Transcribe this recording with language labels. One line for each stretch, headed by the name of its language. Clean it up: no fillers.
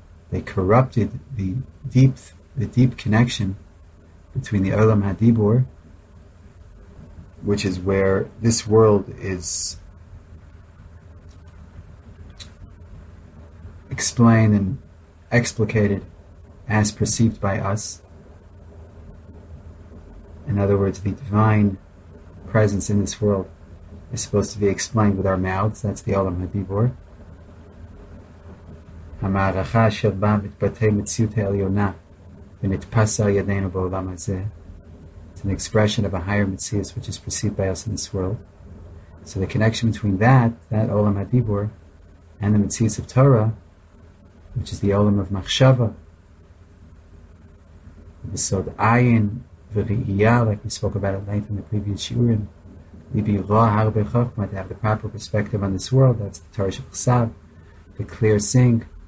English: They corrupted the deep connection between the Olam HaDibur, which is where this world is explained and explicated as perceived by us. In other words, the divine presence in this world is supposed to be explained with our mouths. That's the Olam HaDibur.
Hebrew: המערכה אשר בה מתבטא מציאות העליונה ונתפסה על ידינו בעולם הזה.
English: It's an expression of a higher mitzvah which is perceived by us in this world. So the connection between that Olam HaDibur, and the mitzvah of Torah, which is the Olam of Machshava, the Sod Ayin V'Ri'iyah, like we spoke about at length in the previous Shiurim, Libi Ra Harbe Chochma, to have the proper perspective on this world, that's the Torah Shechsav, the clear seeing.